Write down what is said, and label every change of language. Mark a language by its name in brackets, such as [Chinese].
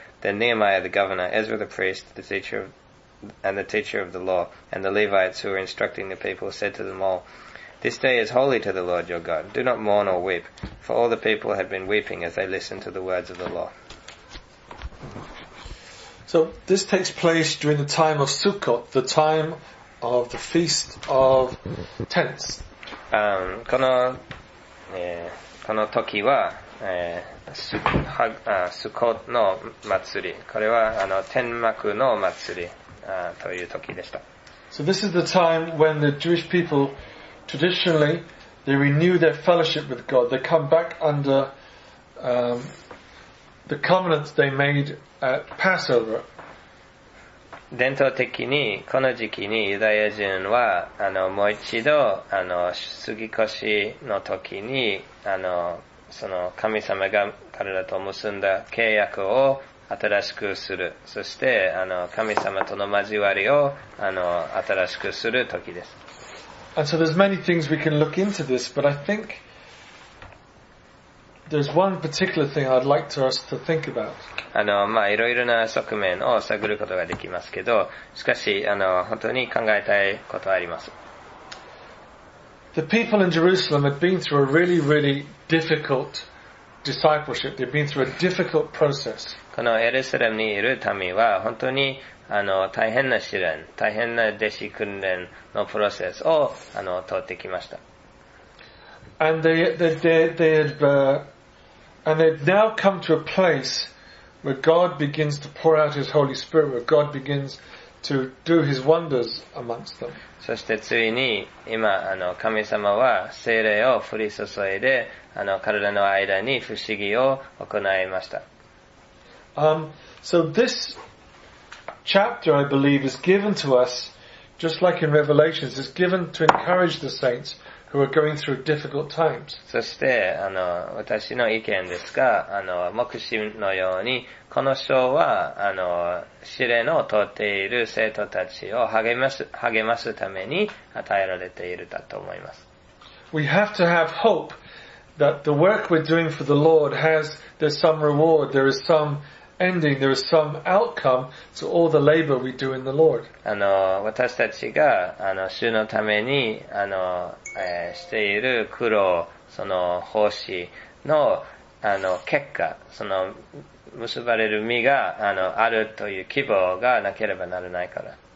[English] Then Nehemiah the governor, Ezra the priest, the teacher of the law, and the Levites who were instructing the people said to them all, This day is holy to the Lord your God. Do not mourn or weep, for all the people had been weeping as they listened to the words of the law. So this takes place during the time of Sukkot, the time of the Feast of Tents. [Japanese] この時は、スコの祭り、これは天幕の祭りという時でした。 [English] So this is the time when the Jewish people traditionally they renew their fellowship with God. They come back under the covenant they made at Passover. [Japanese] 伝統的にこの時期にユダヤ人はもう一度過ぎ越しの時にその神様が彼らと結んだ契約を新しくする、そして神様との交わりを新しくする時です。 [English] And so there's many things we can look into this, but I think there's one particular thing I'd like to us to think about. [Japanese] まあ、いろいろな側面を探ることができますけど、しかし本当に考えたいことはあります。 [English] The people in Jerusalem had been through a really, really difficult discipleship. They've been through a difficult process. [Japanese] このエルサレムにいる民は本当に大変な試練、大変な弟子訓練のプロセスを通ってきました。 [English] And they had now come to a place where God begins to pour out His Holy Spirit, where God begins to do His wonders amongst them. [Japanese] そしてついに今神様は聖霊を降り注いで彼らの間に不思議を行いました。 [English] So this chapter, I believe, is given to us just like in Revelations. It's given to encourage the saints. Who are going through difficult times. [Japanese] そして私の意見ですが、目視のようにこの章は試練を通っている生徒たちを励ますために与えられているだと思います。 [English] We have to have hope that the work we're doing for the Lord has there's some reward, there is some ending, there is some outcome to all the labor we do in the Lord. [Japanese] 私たちが主のためにしている苦労、その奉仕の結果、その結ばれる実があるという希望がなければならないから。